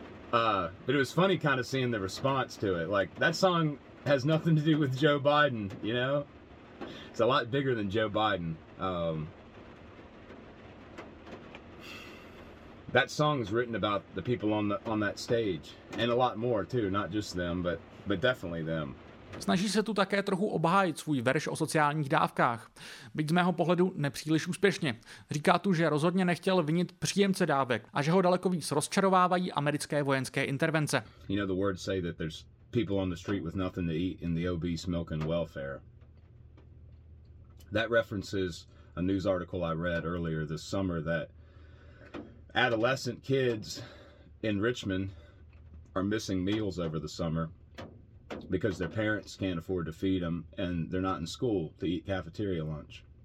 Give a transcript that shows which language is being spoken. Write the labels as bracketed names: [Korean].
[English] But it was funny kind of seeing the response to it. Like, that song has nothing to do with Joe Biden, you know? It's a lot bigger than Joe Biden. That song is written about the people on that stage. And a lot more, too. Not just them, but definitely them. [Czech] Snaží se tu také trochu obhájit svůj verš o sociálních dávkách. Byť z mého pohledu nepříliš úspěšně. Říká tu, že rozhodně nechtěl vinit příjemce dávek a že ho daleko víc rozčarovávají americké vojenské intervence. [English] You know, the words say that there's people on the street with nothing to eat in the obese milk and welfare. That references a news article I read earlier this summer that adolescent kids in Richmond are missing meals over the summer because their parents can't afford to feed them and they're not in school to eat cafeteria lunch.